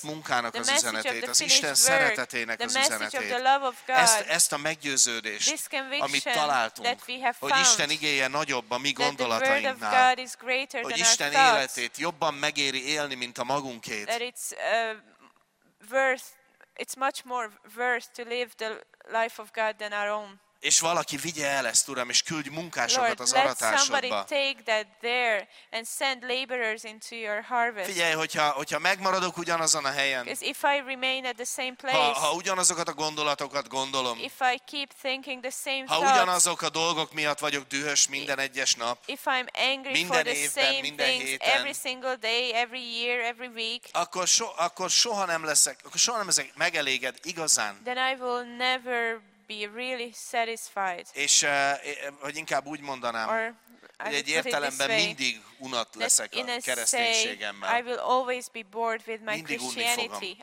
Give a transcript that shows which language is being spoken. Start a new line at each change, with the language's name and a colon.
English: grace,
Hungarian: munkának
English: the
Hungarian: az üzenetét,
English: the
Hungarian: az Isten szeretetének
English: the
Hungarian: az üzenetét.
English: The love of God,
Hungarian: ezt a meggyőződést, amit találtunk, hogy Isten igéje nagyobb a mi gondolatainknál, hogy Isten életét jobban megéri élni, mint a magunkét.
English: It's much more worth to live the life of God than our own.
Hungarian: És valaki vigye el ezt, Uram, és küldj munkásokat az aratásodba.
English: Lord, let somebody take that there and send laborers into your harvest.
Hungarian: Figyelj, hogyha megmaradok ugyanazon a helyen.
English: Because if I remain at the same place.
Hungarian: Ha ugyanazokat a gondolatokat gondolom.
English: If I keep thinking the same thoughts.
Hungarian: Ha ugyanazok a dolgok miatt vagyok dühös minden egyes nap.
English: If I'm angry for the same things every single day, every year, every week.
Hungarian: Akkor soha nem leszek megeléged igazán.
English: Then I will never be really satisfied.
Hungarian: És hogy inkább úgy mondanám, hogy egy értelemben mindig unat leszek a kereszténységemmel.
English: I will always be bored with my Christianity.